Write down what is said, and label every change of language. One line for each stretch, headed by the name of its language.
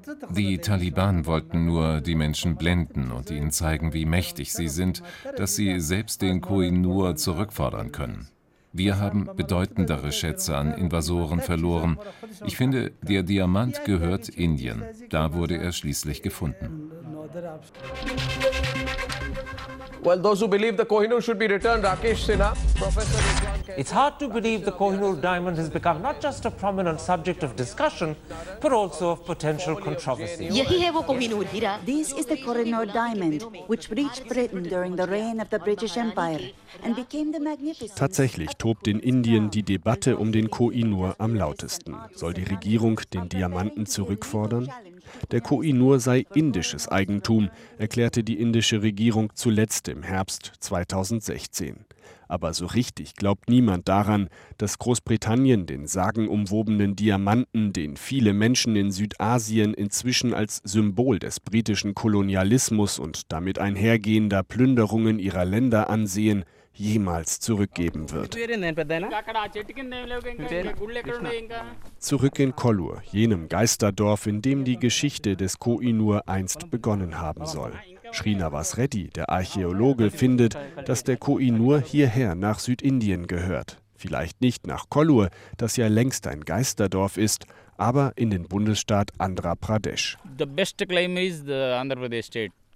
German: Die Taliban wollten nur die Menschen blenden und ihnen zeigen, wie mächtig sie sind, dass sie selbst den Koh-i-Noor zurückfordern können. Wir haben bedeutendere Schätze an Invasoren verloren. Ich finde, der Diamant gehört Indien. Da wurde er schließlich gefunden.
English: Well, those who believe the Koh-i-Noor should be returned, Rakesh Sinha, Professor. It's hard to believe the Koh-i-Noor diamond has become not just a prominent subject of discussion, but also of potential controversy. This is the Koh-i-Noor diamond, which reached Britain during the reign of the British Empire and became the magnificent.
German: Tatsächlich tobt in Indien die Debatte um den Koh-i-Noor am lautesten. Soll die Regierung den Diamanten zurückfordern? Der Koh-i-Noor sei indisches Eigentum, erklärte die indische Regierung zuletzt im Herbst 2016. Aber so richtig glaubt niemand daran, dass Großbritannien den sagenumwobenen Diamanten, den viele Menschen in Südasien inzwischen als Symbol des britischen Kolonialismus und damit einhergehender Plünderungen ihrer Länder ansehen, jemals zurückgeben wird. Zurück in Kollur, jenem Geisterdorf, in dem die Geschichte des Koh-i-Noor einst begonnen haben soll. Srinivas Reddy, der Archäologe, findet, dass der Koh-i-Noor hierher nach Südindien gehört. Vielleicht nicht nach Kollur, das ja längst ein Geisterdorf ist, aber in den Bundesstaat Andhra Pradesh.
English: The best claim is the Andhra Pradesh state.